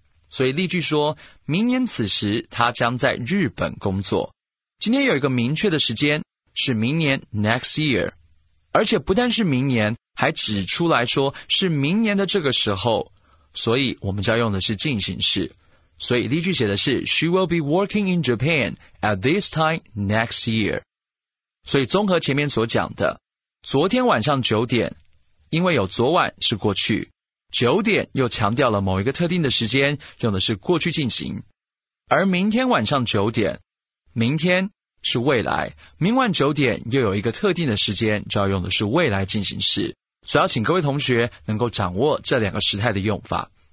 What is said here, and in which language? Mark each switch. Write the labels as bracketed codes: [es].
[zh] 所以例句说明年此时他将在日本工作，今天有一个明确的时间是明年 next year，而且不但是明年，还指出来说是明年的这个时候，所以我们就要用的是进行式。所以例句写的是 [en] She will be working in Japan at this time next year。 [zh] 所以综合前面所讲的，昨天晚上九点，因为有昨晚是过去，九点又强调了某一个特定的时间，用的是过去进行。而明天晚上九点，明天是未来，明晚九点又有一个特定的时间，就要用的是未来进行式，主要请各位同学能够掌握这两个时态的用法。